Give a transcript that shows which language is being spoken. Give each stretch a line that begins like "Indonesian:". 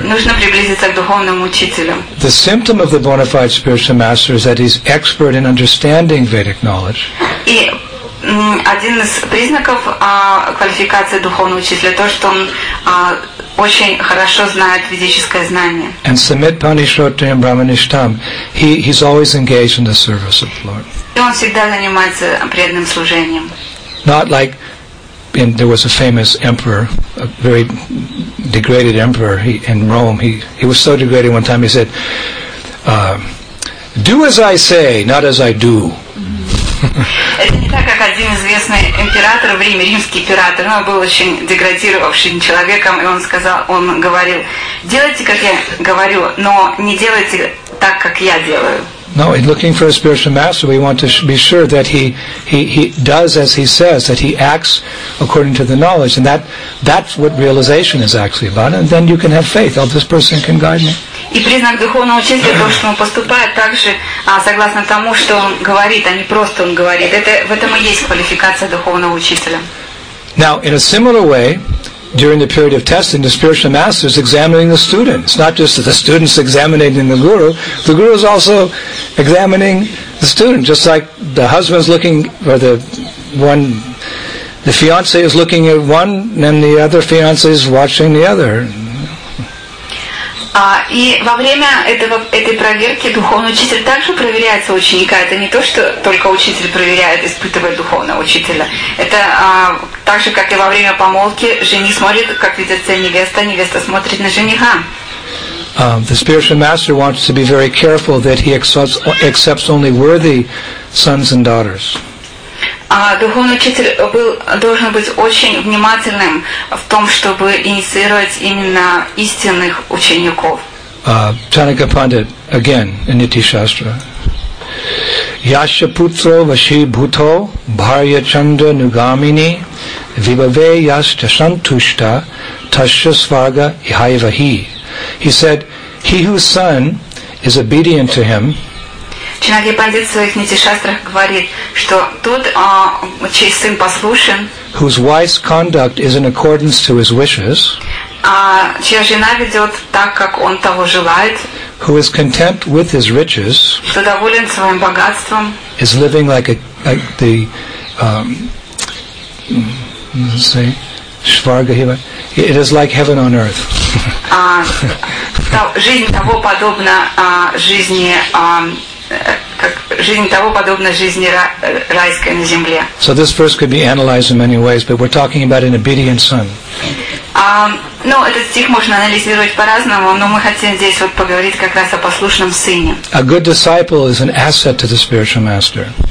Russian: Нужно приблизиться к духовному учителю.
English: The symptom of the bona fide spiritual master is that he's expert in understanding Vedic knowledge.
Russian: И один из признаков квалификации духовного учителя то, что он очень хорошо знают ведическое знание.
Sanskrit: And submit Panishrotam Brahmanishtam.
English: He's always engaged in the service of the Lord.
Russian: И он всегда занимается преданным служением.
English: Not like in, there was a famous emperor, a very degraded emperor in Rome. He was so degraded one time he said, do as I say, not as I do.
Russian: Это не так, как один известный император в Риме, римский император. Он был очень деградировавшим человеком, и он сказал, он говорил, делайте, как я говорю, но не делайте так, как я делаю.
English: No, in looking for a spiritual master, we want to be sure that he does as he says, that he acts according to the knowledge, and that's what realization is actually about. And then you can have faith. Oh, this person can guide me.
Russian: И признак духовного учителя то, что он поступает также согласно тому, что он говорит, а не просто он говорит. Это в этом и есть квалификация духовного учителя.
English: Now, in a similar way, during the period of testing, the spiritual master is examining the student. It's not just that the student's examining the guru. The guru is also examining the student, just like the husband's looking, or the one, the fiancé is looking at one, and the other fiancé is watching the other.
Russian: И во время этой проверки духовный учитель также проверяет своего ученика. Это не то, что только учитель проверяет, испытывает духовного учителя. Это так же, как и во время помолвки, жених смотрит, как ведется невеста, невеста смотрит на жениха.
English: The spiritual master wants to be very careful that he accepts only worthy sons and daughters.
Russian: Духовный учитель должен быть очень внимательным в том, чтобы инициировать именно истинных учеников.
English: Chanaka Pandit, again, in Niti Shastra.
Sanskrit: Yasya putro vashi bhuto bharya chanda nugamini vivave yasya santushta tasya svarga ihaivahi.
English: He said, he whose son is obedient to him,
Russian: Чинаги Пандит в своих нитишастрах говорит, что тот, чей сын послушен,
English: whose wife's conduct is in accordance to his wishes,
Russian: чья жена ведет так, как он того желает,
English: who is content with his riches,
Russian: кто доволен своим богатством,
English: is living like the let's say Shvarga Hiva. It is like heaven on earth.
Russian: Жизнь того подобна жизни. Как жизнь того подобна жизни райской на земле.
English: So this verse could be analyzed in many ways, but we're talking about an obedient son.
Russian: Ну, этот стих можно анализировать по-разному, но мы хотим здесь вот поговорить как раз о послушном сыне.
English: A good disciple is an asset to the spiritual master.